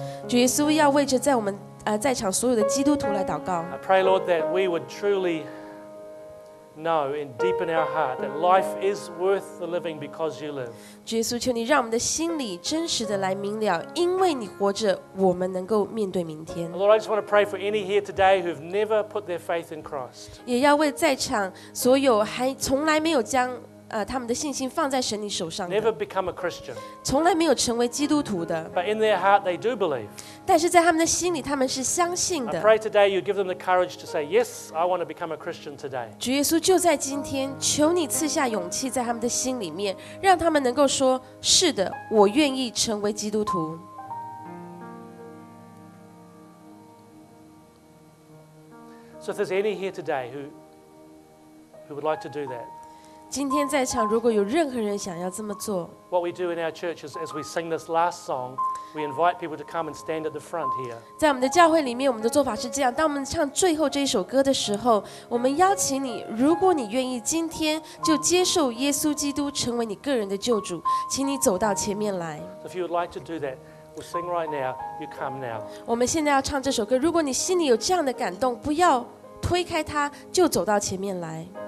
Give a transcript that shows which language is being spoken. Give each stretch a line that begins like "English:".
Chinese: 主耶稣要为着在我们在场所有的基督徒来祷告。
English: I pray, Lord, that we would truly. Know in deep in our heart that life is worth the living because you live.
Chinese: 耶稣，求你让我们的心里真实的来明了，因为你活着，我们能够面对明天。
English: Lord, I just want to pray for any here today who've never put their faith in Christ.
Chinese: 也要为在场所有还从来没有将他们的信心放在神你手上的。
English: Never become a Christian.
Chinese: 从来没有成为基督徒的。
English: But in their heart, they do believe.
Chinese: 但是在他们的心里，他们是相信的。
English: I pray today you give them the courage to say, Yes, I want to become a Christian today.
Chinese: 主耶稣就在今天，求你赐下勇气在他们的心里面，让他们能够说，是的，我愿意成为基督徒。
English: So if there's any here today who would like to do that.
Chinese: 今天在场如果有任何人想要这么做
English: What we do in our church is as we sing this last song We invite people to come and stand at the front here
Chinese: 在我们的教会里面我们的做法是这样当我们唱最后这一首歌的时候我们邀请你如果你愿意今天就接受耶稣基督成为你个人的救主请你走到前面来
English: If you would like to do that we'll sing right now You come now
Chinese: 我们现在要唱这首歌如果你心里有这样的感动不要推开它就走到前面来